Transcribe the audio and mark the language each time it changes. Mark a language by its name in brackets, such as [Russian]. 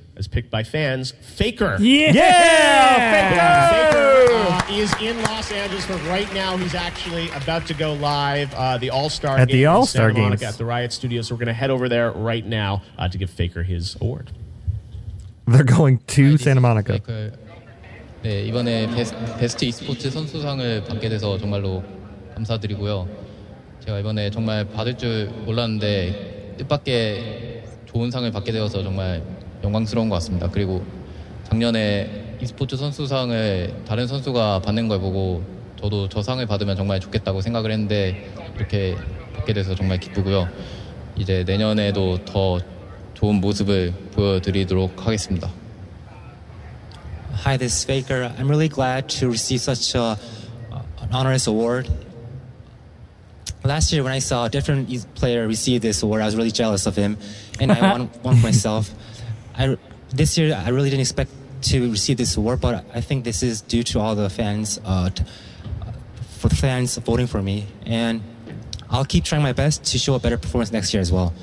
[English] as picked by fans, Faker. Yeah, Faker! Is in Los Angeles, but right now he's actually about to go live the All-Star at the All-Star Game at the Riot Studios. So we're going to head over there right now to give Faker his award. They're going to Santa Monica. [Korean] 네, 이번에 베스트 e-스포츠 선수상을 받게 돼서 정말로 감사드리고요. 제가 이번에 정말 받을 줄 몰랐는데 뜻밖의 좋은 상을 받게 되어서 정말 영광스러운 것 같습니다. 그리고 작년에 e-스포츠 선수상을 다른 선수가 받는 걸 보고 저도 저 상을 받으면 정말 좋겠다고 생각을 했는데 이렇게 받게 돼서 정말 기쁘고요. 이제 내년에도 더 좋은 모습을 보여드리도록 하겠습니다. [English] Hi, this is Faker. I'm really glad to receive such an honorous award. Last year when I saw a different player receive this award, I was really jealous of him, and I won myself. This year, I really didn't expect to receive this award, but I think this is due to all the fans, for the fans voting for me, and I'll keep trying my best to show a better performance next year as well.